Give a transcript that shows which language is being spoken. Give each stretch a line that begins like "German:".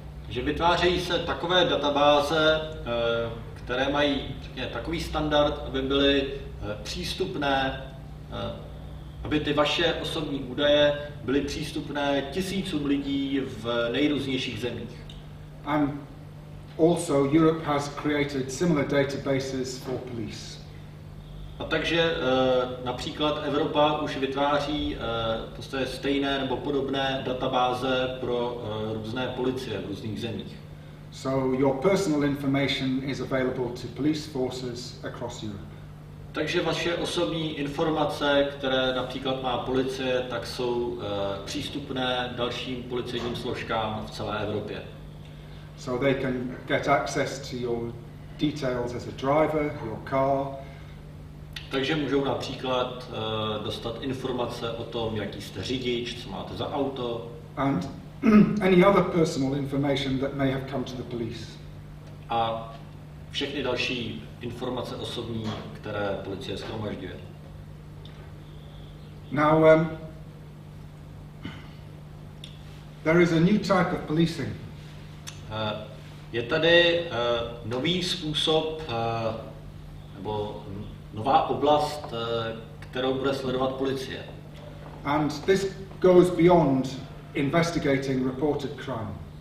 Czech: Že vytvářejí se takové databáze, které mají takový standard, aby byly přístupné, aby ty vaše osobní údaje byly přístupné tisícům lidí v nejrůznějších zemích.
English: And also Europe has created similar databases for police.
Czech: A takže například Evropa už vytváří prostě stejné nebo podobné databáze pro různé policie v různých zemích.
English: So your personal information is available to police forces across Europe.
Czech: Takže vaše osobní informace, které například má policie, tak jsou přístupné dalším policejním složkám v celé Evropě.
English: So they can get access to your details as a driver, your car.
Czech: Takže můžou například dostat informace o tom, jaký jste řidič, co máte za auto.
English: And any other personal information that may have come to the police.
Czech: A všechny další informace osobní, které policie shromažďuje.
English: Now there is a new type of policing.
Czech: Je tady nový způsob nebo nová oblast, kterou bude sledovat policie.
English: And this goes beyond investigating reported crime.